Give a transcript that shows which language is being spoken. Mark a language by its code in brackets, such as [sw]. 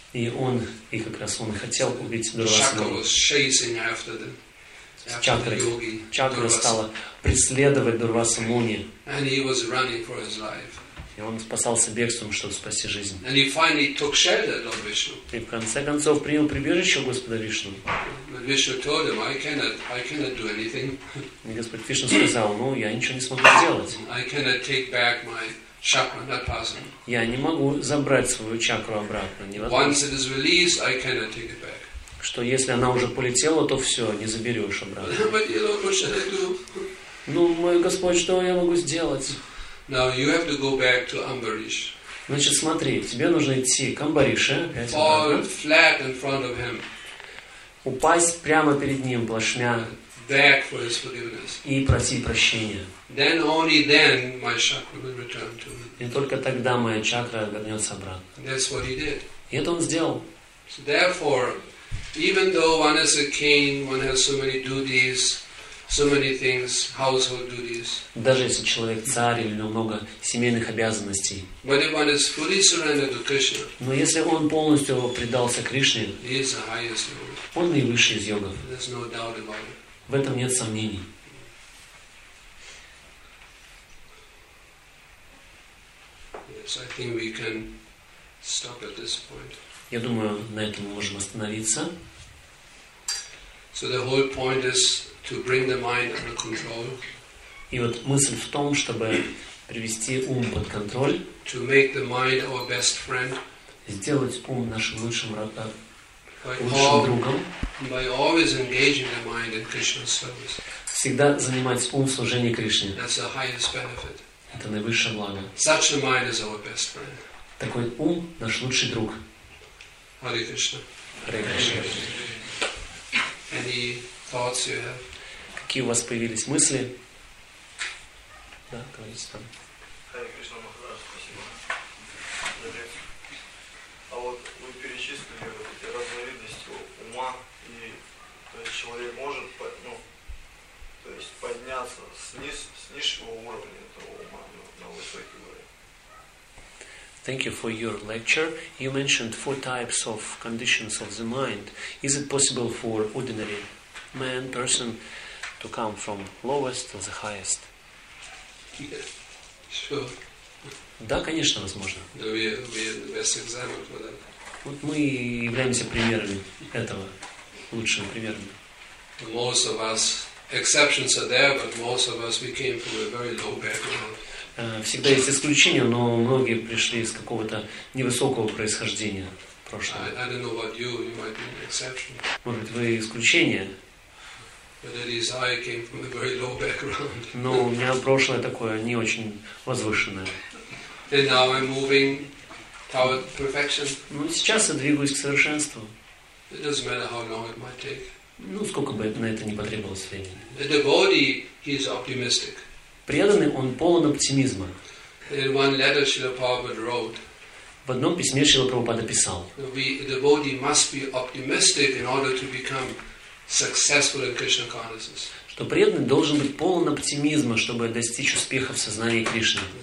[ru] И он, и как раз он хотел убить Дурвасу Муни. [en] Chakra was chasing after the yogi. [ru] Чакра стала преследовать Дурвасу Муни. [en] And he was running for his life. [ru] И он спасался бегством, чтобы спасти жизнь. [en] And he finally took shelter, Lord Vishnu. [ru] И в конце концов принял прибежище у Господа Вишну. [en] But Vishnu told him, I cannot do anything. [ru] И Господь Вишну сказал, ну, я ничего не смогу сделать. [en] I cannot take back my chakra, not possible. [ru] Я не могу забрать свою чакру обратно. [en] Once it is released, I cannot take it back. [ru] Что если она уже полетела, то все, не заберешь обратно. [en] But you know, what should I do? [ru] Ну, мой Господь, что я могу сделать? [en] Now you have to go back to Ambarish. [ru] Значит, смотри, тебе нужно идти к Амбаришу. [en] Fall flat in front of him. [ru] Упасть прямо перед ним, плашмя. [en] beg for his forgiveness. [ru] И просить прощения. [en] Then only then my chakra will return to me. [ru] И только тогда моя чакра вернется обратно. [en] That's what he did. [ru] И это он сделал. [en] So therefore, even though one is a king, one has so many duties, so many things, household duties. [ru] Даже если человек царь или у него много семейных обязанностей. [en] But if one is fully surrendered to Krishna. [ru] Но если он полностью предался Кришне. [en] He is the highest yoga. [ru] Он наивысший из йогов. [en] There's no doubt about it. [ru] В этом нет сомнений. [en] Yes, I think we can stop at this point. [ru] Я думаю, на этом мы можем остановиться. [en] So the whole point is to bring the mind under control. [ru] И вот мысль в том, чтобы привести ум под контроль. [en] To make the mind our best friend. [ru] Сделать ум нашим лучшим другом. [en] By always engaging the mind in Krishna's service. [ru] Всегда занимать ум в служении Кришне. [en] That's the highest benefit. [ru] Это наивысшее благо. [en] Such a mind is our best friend. [ru] Такой ум наш лучший друг. [sa] Hare Krishna. Hare Krishna. [en] Any thoughts you have? [ru] Какие у вас появились мысли? Да, говорите там. Hare Krishna Махарадж, спасибо. За лекцию. А вот вы перечислили вот эти разновидности ума, и то есть человек может, ну, то есть подняться с низшего уровня этого ума на высокий уровень. [en] Thank you for your lecture. You mentioned four types of conditions of the mind. Is it possible for ordinary man, person, to come from lowest to the highest? Yeah, sure. [ru] Да, конечно, возможно. [en] No, we are the best example for that. [ru] Вот мы являемся примерами этого, лучшим примером. [en] Most of us, exceptions are there, but most of us, we came from a very low background. [ru] Всегда есть исключения, но многие пришли из какого-то невысокого происхождения прошлого. [en] I don't know about you, you might be an exception. [ru] Может быть, вы исключение. [en] But at least I came from a very low background. [ru] Но у меня прошлое такое не очень возвышенное. [en] And now I'm moving toward perfection. [ru] Ну, сейчас я двигаюсь к совершенству. [en] It doesn't matter how long it might take. [ru] Ну, сколько бы на это ни потребовалось времени. [en] The devotee, he is optimistic. [ru] Преданный, он полон оптимизма. [en] In one letter, Srila Prabhupada wrote, [ru] в одном письме Шрила Прабхупада писал, что преданный должен быть полон оптимизма, чтобы достичь успеха в сознании Кришны.